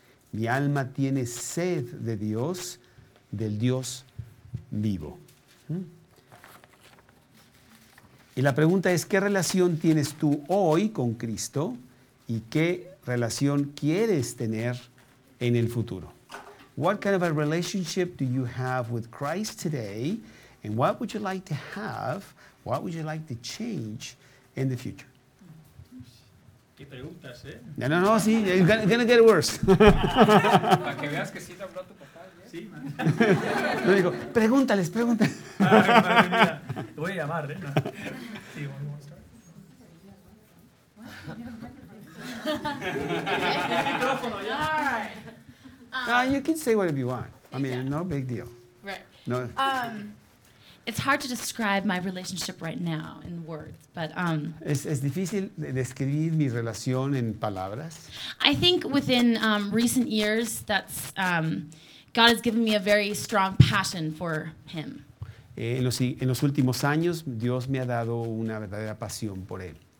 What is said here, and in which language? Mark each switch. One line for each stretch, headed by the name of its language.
Spanish: Mi alma tiene sed de Dios, del Dios vivo. Y la pregunta es, ¿qué relación tienes tú hoy con Cristo y qué relación quieres tener en el futuro?
English: What kind of a relationship do you have with Christ today and what would you like to have? What would you like to change in the future?
Spanish: ¿Qué preguntas, eh? No, sí,
English: it's gonna get worse.
Spanish: Para que veas que sí te habló tu papá, ¿eh? Sí,
English: man.
Spanish: Le digo, pregúntales, pregúntales. Ah, voy a llamar, ¿eh? No. Sí, ¿vamos a estar? ¿Qué? Micrófono, ya.
English: You can say whatever you want. I mean, yeah. No big deal. Right. No. It's hard to describe my relationship right now in words, but
Spanish: es difícil describir mi relación en palabras.
English: I think within recent years that's God has given me a very strong passion for him.
Spanish: En los últimos años Dios me ha dado una verdadera pasión por él.